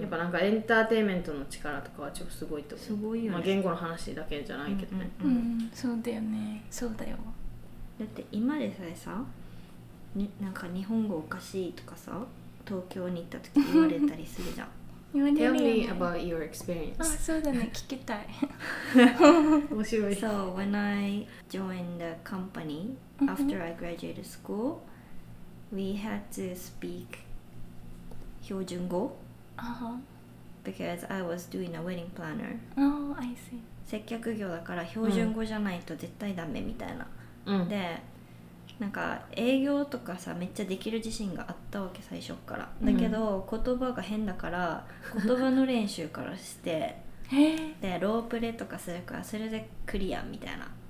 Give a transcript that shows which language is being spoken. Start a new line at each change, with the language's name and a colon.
Japanese: やっぱなんかエンターテインメントの力とかはちょっとすごいと思うすごいよ、ねまあ、言語の話だけじゃないけどね、うんうんうんうん、そうだよねそうだよだって今でさえさなんか日本語おかしいとかさ東京に行った時言われたりするじゃん、
English: ね、Tell me about your experience
Japanese: あそうだね聞きたい面白い
English: So when I joined the company after I graduated schoolWe had to speak 標準語、 uh-huh. because I was doing a wedding planner. Oh, I see.
Japanese: 接客業だから標準語じゃないと絶対ダメみたいな。うん、で、なんか営業とかさめっちゃできる自信があったわけ最初から。だけど、うん、言葉が変だから言葉の練習からしてでロープレとかするからそれでクリアみたいな。